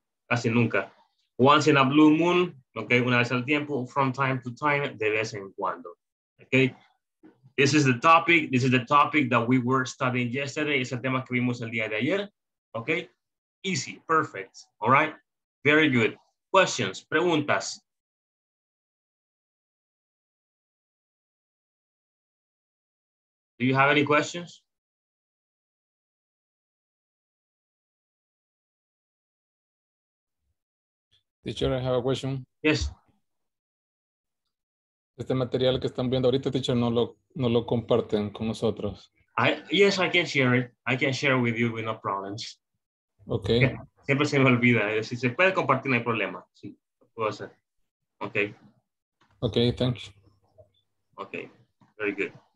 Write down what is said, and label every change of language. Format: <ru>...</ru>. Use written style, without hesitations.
<es>Casi nunca.</es> <en>Once in a blue moon,</en> <es>okay, una vez al tiempo,</es> <en>from time to time,</en> <es>de vez en cuando.</es> <en>Okay, this is the topic. This is the topic that we were studying yesterday.</en> <es>Es el tema que vimos el día de ayer.</es> <en>Okay, easy, perfect. All right, very good. Questions, preguntas. Do you have any questions? Teacher, I have a question. Yes.</en> <es>Este material que están viendo ahorita, teacher, no lo comparten con nosotros.</es> <en>Yes, I can share it. I can share with you with no problems. Okay.</en> <es>Siempre se me olvida. Si se puede compartir, no hay problema. Sí, puedo hacer. Okay.</es> <en>Okay, thanks. Okay, very good.</en>